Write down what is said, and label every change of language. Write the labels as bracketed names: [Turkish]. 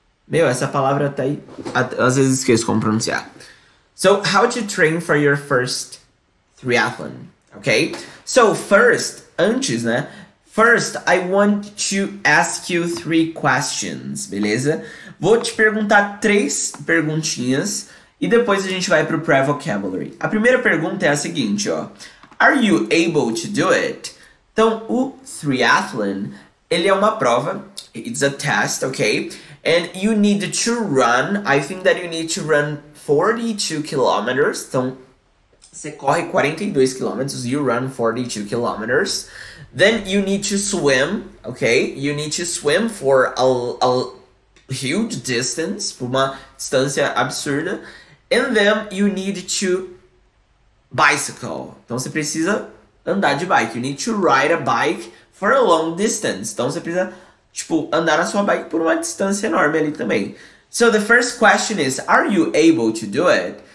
[Portuguese] Meu, essa palavra tá aí. Às vezes esqueço como pronunciar. [English] So, how to train for your first triathlon. Ok? So, first, antes, né? First, I want to ask you three questions, beleza? [Portuguese] Vou te perguntar três perguntinhas. E depois a gente vai pro pré-vocabulary. A primeira pergunta é a seguinte, ó. [English] Are you able to do it? [Portuguese] Então, o triathlon, ele é uma prova. [English] It's a test, ok? And you need to run. I think that you need to run 42 kilometers. [Portuguese] Então, você corre 42 quilômetros. [English] You run 42 kilometers. Then you need to swim, ok? You need to swim for a huge distance, [Portuguese] por uma distância absurda. [English] And then you need to bicycle. [Portuguese] Então você precisa andar de bike. [English] You need to ride a bike for a long distance. [Portuguese] Então você precisa, tipo, andar na sua bike por uma distância enorme ali também. [English] So the first question is, are you able to do it?